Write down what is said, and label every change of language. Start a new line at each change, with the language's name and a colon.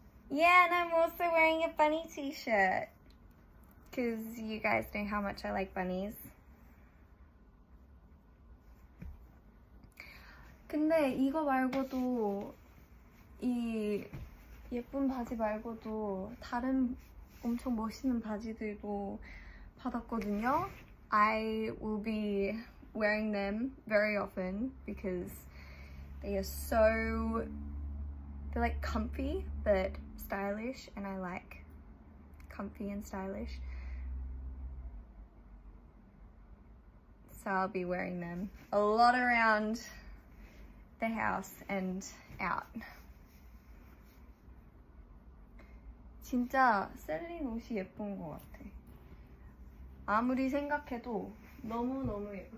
English: Yeah, and I'm also wearing a bunny t-shirt. Because you guys know how much I like bunnies.
Korean: 근데 이거 말고도 이 예쁜 바지 말고도 다른 엄청 멋있는 바지들도 받았거든요.
English: I will be wearing them very often because they are so, they're like comfy but stylish, and I like comfy and stylish. So I'll be wearing them a lot around the house and out.
Korean: 진짜 셀린 옷이 예쁜 것 같아. 아무리 생각해도 너무 너무 예뻐.